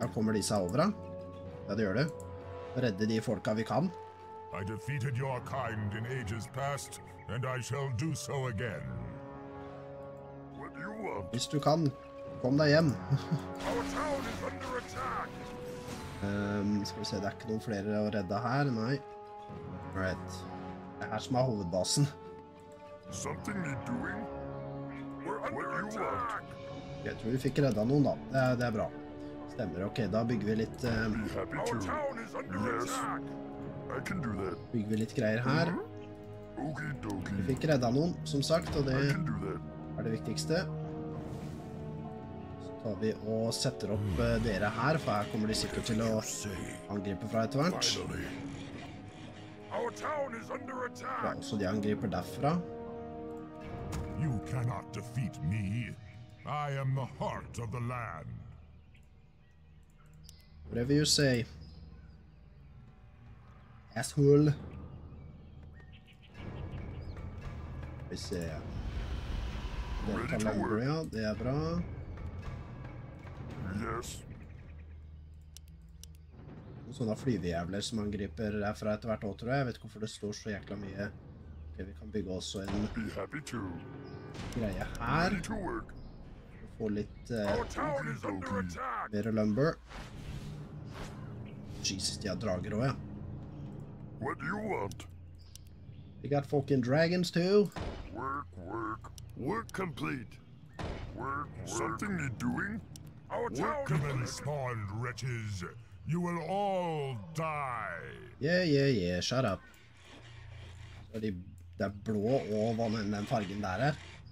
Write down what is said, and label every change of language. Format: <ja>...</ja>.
<no>Da kommer de seg over, da. Ja, det gjør det. Redde de folka vi kan.</no> <en>I defeated your kind in ages past, and I shall do so again. What do you want?</en> <no>Hvis du kan, kom deg hjem.</no> <en>Our town is under attack.</en> <no>Skal vi se, det ikke noen flere å redde her, nei. Alright. Det her som hovedbasen.</no> <en>Something need doing? We're under attack!</en> <no>Jeg tror vi fikk redda noen da, det bra. Stemmer, ok, da bygger vi litt... Our town is under attack!</no> <en>I can do that.</en> <no>Bygger vi litt greier her. Okidoki. Vi fikk redda noen, som sagt, og det er det viktigste. tar vi og setter opp dere her, for her kommer de sikkert til å angripe fra etterhvert.</no> <en>Our town is under attack.</en> <no>Ja, så de angriper derfra.</no> <en>You cannot defeat me. I am the heart of the land. Whatever you say. Asshole.</en> <no>Vi ser. Det tar langer, ja. Det er bra.</no> <en>Yes.</en> <no>Noen sånne flyvejævler som angriper derfra etter hvert år, tror jeg. Jeg vet ikke hvorfor det står så jækla mye. Ok, vi kan bygge også en greie her. Få litt mer lumber. Jesus, de har drager også, ja.</no> <en>What do you want? We got fucking dragons too. Work, work. Work complete. Work, work. Something need doing? Our town work complete. Spawned wretches. You will all die. Yeah, shut up.</en> <no>Så de, det er blå og vann enn den fargen der er.</no>